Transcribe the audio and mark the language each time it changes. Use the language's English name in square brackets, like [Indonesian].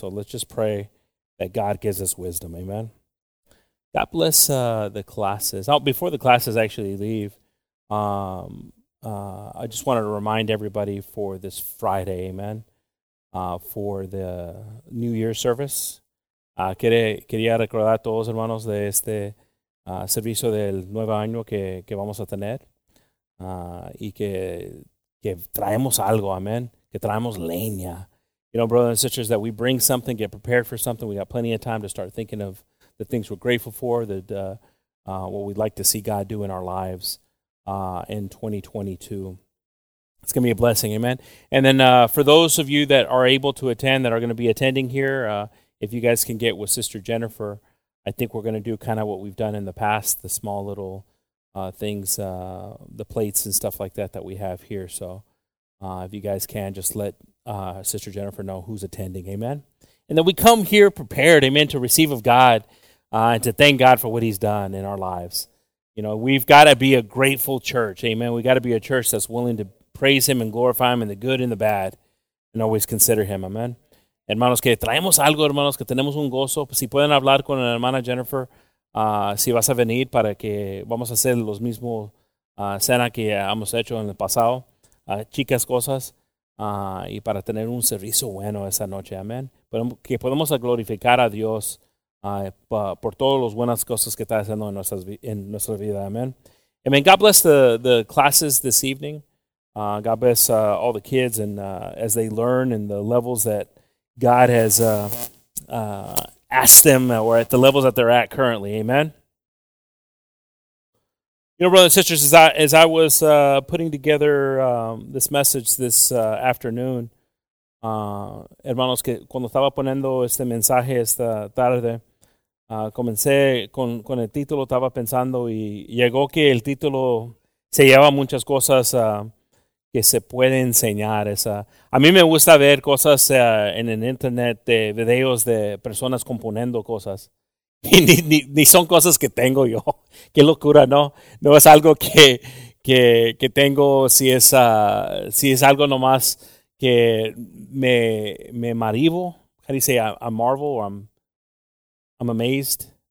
[English] So let's just pray that God gives us wisdom. Amen. God bless the classes. Oh, before the classes actually leave, I just wanted to remind everybody for this Friday, amen, for the New Year service. [Spanish] Quería recordar a todos hermanos de este servicio del nuevo año que vamos a tener y que que traemos algo, amen. Que traemos leña. [English] You know, brothers and sisters, that we bring something, get prepared for something. We got plenty of time to start thinking of the things we're grateful for, that what we'd like to see God do in our lives in 2022. It's going to be a blessing, amen. And then for those of you that are able to attend, that are going to be attending here, if you guys can get with Sister Jennifer, I think we're going to do kind of what we've done in the past, the small little things, the plates and stuff like that we have here. So if you guys can, just let Sister Jennifer know who's attending. Amen. And then we come here prepared, amen, to receive of God and to thank God for what he's done in our lives. You know, we've got to be a grateful church. Amen. We got to be a church that's willing to praise him and glorify him in the good and the bad and always consider him. Amen. [Spanish] Hermanos, que traemos algo, hermanos, que tenemos un gozo. Si pueden hablar con la hermana Jennifer, si vas a venir para que vamos a hacer los mismos cena que hemos hecho en el pasado, chicas cosas, y para tener un servicio bueno esa noche, amén. Que podemos glorificar a Dios por todas las buenas cosas que está haciendo en nuestra vida, amén. [English] Amén. God bless the classes this evening. God bless all the kids and as they learn and the levels that God has ask them, or at the levels that they're at currently, amen. You know, brothers and sisters, as I was putting together this message this afternoon, [Spanish] hermanos, que cuando estaba poniendo este mensaje esta tarde, comencé con el título, estaba pensando y llegó que el título se lleva muchas cosas que se puede enseñar. A mí me gusta ver cosas en el internet, de videos de personas componiendo cosas. Y ni son cosas que tengo yo. Qué locura, ¿no? No es algo que tengo, si es algo nomás que me marivo. [English] How do you say I marvel or I'm amazed?